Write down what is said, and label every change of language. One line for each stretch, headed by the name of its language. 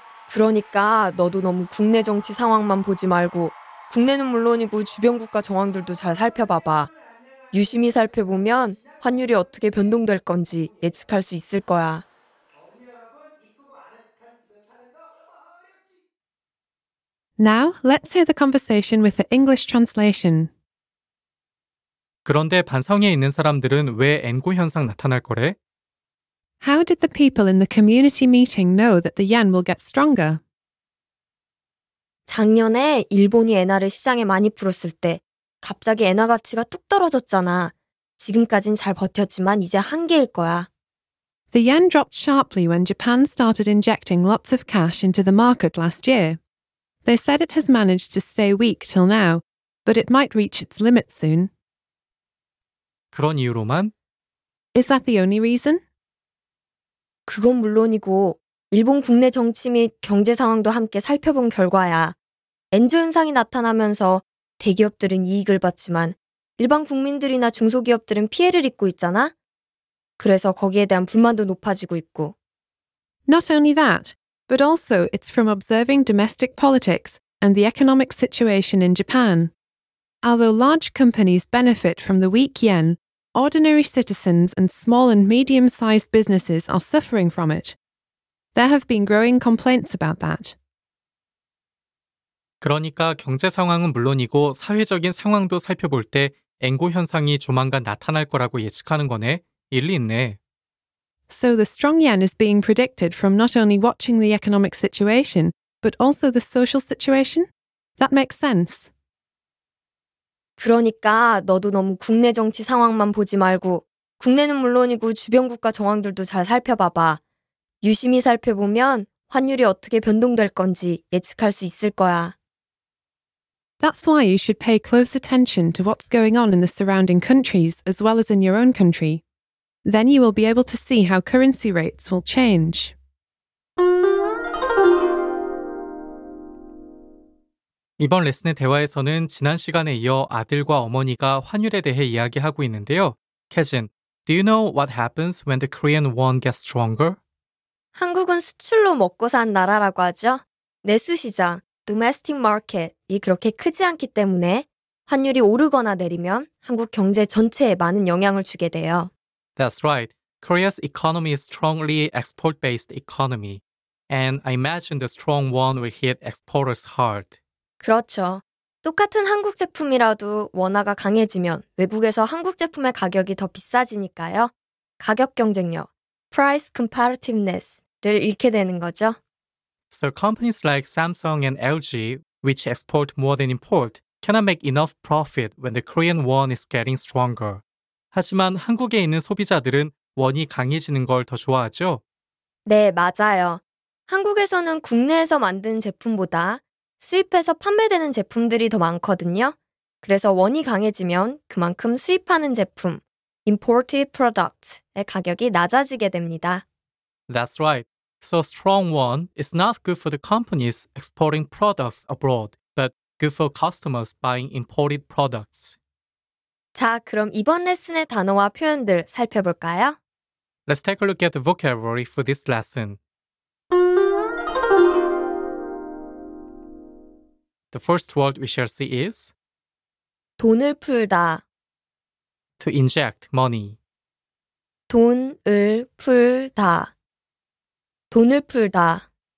Korean: 그러니까 너도 너무 국내 정치 상황만 보지 말고 국내는 물론이고 주변 국가 정황들도 잘 살펴봐봐. 유심히 살펴보면 환율이 어떻게 변동될 건지 예측할 수 있을 거야.
English: Now, let's hear the conversation with the English translation.
Korean: 그런데 반성에 있는 사람들은 왜 엔고 현상 나타날 거래?
English: How did the people in the community meeting know that the yen will get stronger?
Korean: 작년에 일본이 엔화를 시장에 많이 풀었을 때 갑자기 엔화 가치가 뚝 떨어졌잖아. 지금까지는 잘 버텼지만 이제 한계일 거야.
English: The yen dropped sharply when Japan started injecting lots of cash into the market last year. They said it has managed to stay weak till now, but it might reach its limit soon.
Korean: 그런 이유로만?
English: Is that the only reason?
Korean: 그건 물론이고 일본 국내 정치 및 경제 상황도 함께 살펴본 결과야. 엔조 현상이 나타나면서 대기업들은 이익을 봤지만 일반 국민들이나 중소기업들은 피해를 입고 있잖아? 그래서 거기에 대한 불만도 높아지고 있고.
English: Not only that, but also it's from observing domestic politics and the economic situation in Japan. Although large companies benefit from the weak yen, ordinary citizens and small and medium-sized businesses are suffering from it. There have been growing complaints about that.
Korean: 그러니까 경제 상황은 물론이고 사회적인 상황도 살펴볼 때 엔고 현상이 조만간 나타날 거라고 예측하는 거네. 일리 있네.
English: So the strong yen is being predicted from not only watching the economic situation, but also the social situation? That makes sense.
Korean: 그러니까 너도 너무 국내 정치 상황만 보지 말고 국내는 물론이고 주변 국가 정황들도 잘 살펴봐봐. 유심히 살펴보면 환율이 어떻게 변동될 건지 예측할 수 있을 거야.
English: That's why you should pay close attention to what's going on in the surrounding countries as well as in your own country. Then you will be able to see how currency rates will change.
Korean: 이번 레슨의 대화에서는 지난 시간에 이어 아들과 어머니가 환율에 대해 이야기하고 있는데요.
English: 캐진, do you know what happens when the Korean won gets stronger?
Korean: 한국은 수출로 먹고 산 나라라고 하죠. 내수시장,
English: domestic market
Korean: 이 그렇게 크지 않기 때문에 환율이 오르거나 내리면 한국 경제 전체에 많은 영향을 주게 돼요.
English: That's right. Korea's economy is strongly export-based economy. And I imagine the strong won will hit exporters hard.
Korean: 그렇죠. 똑같은 한국 제품이라도 원화가 강해지면 외국에서 한국 제품의 가격이 더 비싸지니까요. 가격 경쟁력,
English: price competitiveness
Korean: 를 잃게 되는 거죠.
English: So companies like Samsung and LG, which export more than import, cannot make enough profit when the Korean won is getting stronger.
Korean: 하지만 한국에 있는 소비자들은 원이 강해지는 걸 더 좋아하죠? 네, 맞아요. 한국에서는 국내에서 만든 제품보다 수입해서 판매되는 제품들이 더 많거든요. 그래서 원이 강해지면 그만큼 수입하는 제품,
English: imported products
Korean: 의 가격이 낮아지게 됩니다.
English: That's right. So strong won is not good for the companies exporting products abroad, but good for customers buying imported products.
Korean: 자, 그럼 이번 레슨의 단어와 표현들 살펴볼까요?
English: Let's take a look at the vocabulary for this lesson. The first word we shall see is
Korean: 돈을 풀다
English: To inject money
Korean: 돈을 풀다 돈을 풀다